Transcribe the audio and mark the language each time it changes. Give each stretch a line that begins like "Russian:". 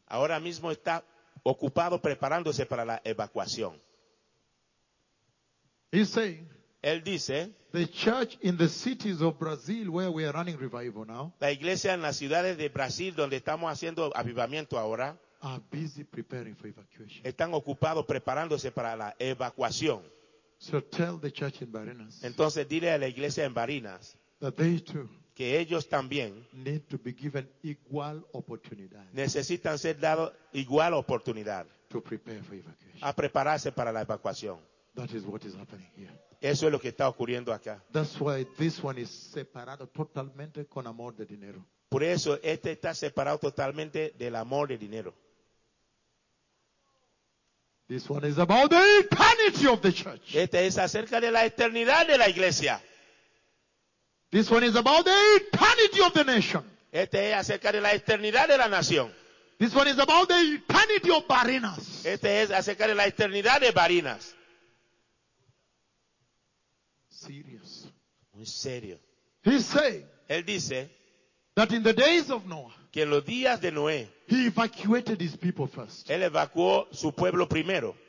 Spanish: Ahora mismo está ocupado preparándose para la evacuación.
English: He's saying,
Spanish: él dice,
English: the church in the cities of Brazil where we are running revival now,
Spanish: la iglesia en las ciudades de Brasil donde estamos haciendo avivamiento ahora,
English: are busy preparing for evacuation.
Spanish: Están ocupados preparándose para la evacuación.
English: So tell the church in Barinas,
Spanish: entonces dile a la iglesia en Barinas
English: that they too,
Spanish: que ellos también
English: need to be given equal opportunity,
Spanish: necesitan ser dado igual oportunidad
English: to prepare for evacuation.
Spanish: A prepararse para la evacuación.
English: That is what is happening here.
Spanish: Eso es lo que está ocurriendo acá.
English: That's why this one is
Spanish: separado totalmente con amor de dinero. Por eso este está separado totalmente del amor de dinero.
English: This one is about the eternity of the church.
Spanish: Este es acerca de la eternidad de la iglesia.
English: This one is about the eternity of the nation.
Spanish: Este es acerca de la eternidad de la nación.
English: This one is about the eternity of Barinas.
Spanish: Este es acerca de la eternidad de Barinas.
English: Serious.
Spanish: Muy serio.
English: He's saying.
Spanish: Él dice.
English: That in the days of Noah,
Spanish: que en los días de Noé,
English: he evacuated his people first.
Spanish: Él evacuó su pueblo primero.